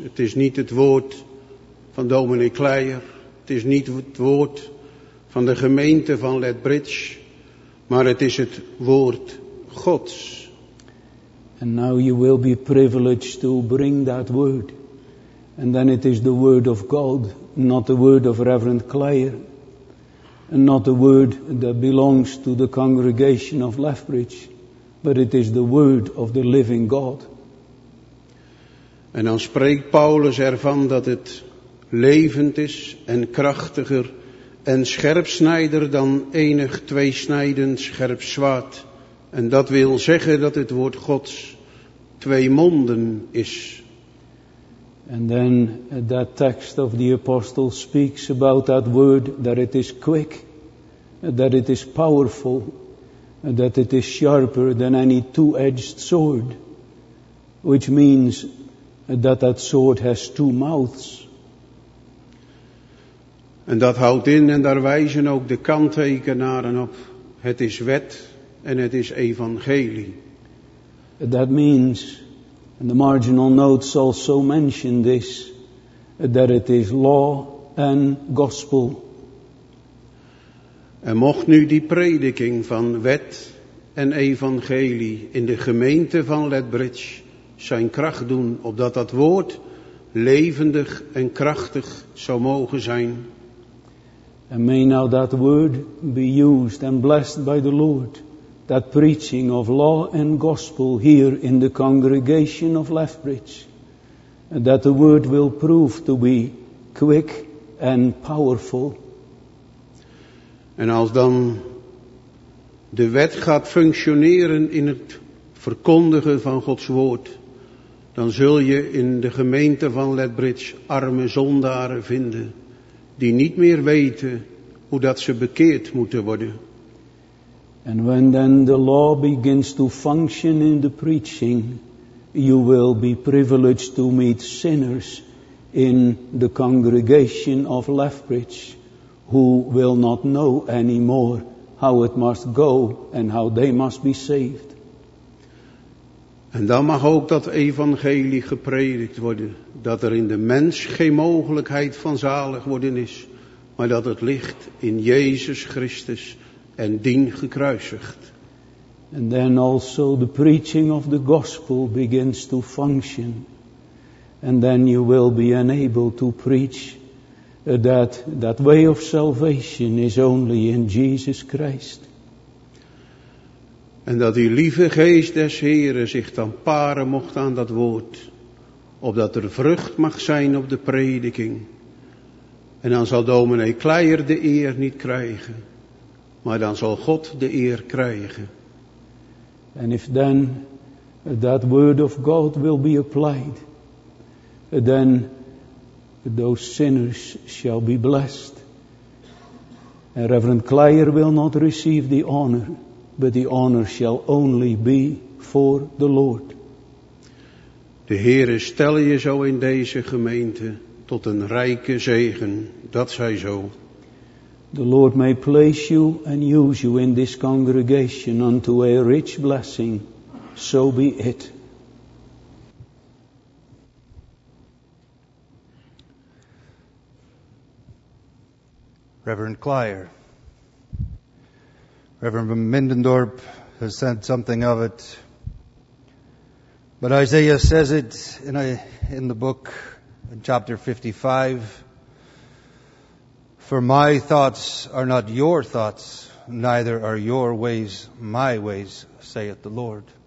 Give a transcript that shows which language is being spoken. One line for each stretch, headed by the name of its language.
Dutch: Het is niet het woord van dominee Kleier. Het is niet het woord van de gemeente van Lethbridge. Maar het is het woord Gods.
English: And now you will be privileged to bring that word. And then it is the word of God, not the word of Reverend Kleier. And not the word that belongs to the congregation of Lethbridge. But it is the word of the living God.
Dutch: En dan spreekt Paulus ervan dat het levend is en krachtiger en scherpsnijder dan enig tweesnijdend scherp zwaard. En dat wil zeggen dat het woord Gods twee monden is.
English: And then that text of the apostle speaks about that word, that it is quick, that it is powerful, that it is sharper than any two-edged sword, which means that that sword has two mouths.
Dutch: En dat houdt in, en daar wijzen ook de kanttekenaren op, het is wet en het is evangelie.
English: That means, and the marginal notes also mention this, that it is law and gospel.
Dutch: En mocht nu die prediking van wet en evangelie in de gemeente van Lethbridge zijn kracht doen, opdat dat woord levendig en krachtig zou mogen zijn.
English: And may now that word be used and blessed by the Lord, that preaching of law and gospel here in the congregation of Lethbridge, that the word will prove to be quick and powerful.
Dutch: En als dan de wet gaat functioneren in het verkondigen van Gods woord, dan zul je in de gemeente van Lethbridge arme zondaren vinden die niet meer weten hoe dat ze bekeerd moeten worden.
English: And when then the law begins to function in the preaching, you will be privileged to meet sinners in the congregation of Lethbridge who will not know anymore how it must go and how they must be saved.
Dutch: En dan mag ook dat evangelie gepredikt worden, dat er in de mens geen mogelijkheid van zalig worden is, maar dat het ligt in Jezus Christus en dien gekruisigd.
English: And then also the preaching of the gospel begins to function. And then you will be enabled to preach that way of salvation is only in Jesus Christ.
Dutch: En dat die lieve geest des Heren zich dan paren mocht aan dat woord, opdat er vrucht mag zijn op de prediking. En dan zal dominee Kleier de eer niet krijgen, maar dan zal God de eer krijgen.
English: And if then that word of God will be applied, then those sinners shall be blessed. And Reverend Kleier will not receive the honor, but the honor shall only be for the Lord.
Dutch: De Heere stel je zo in deze gemeente tot een rijke zegen, dat zij zo.
English: The Lord may place you and use you in this congregation unto a rich blessing, so be it. Reverend Kleier, Reverend von Mindendorp has said something of it, but Isaiah says it in the book, in chapter 55, for my thoughts are not your thoughts, neither are your ways my ways, saith the Lord.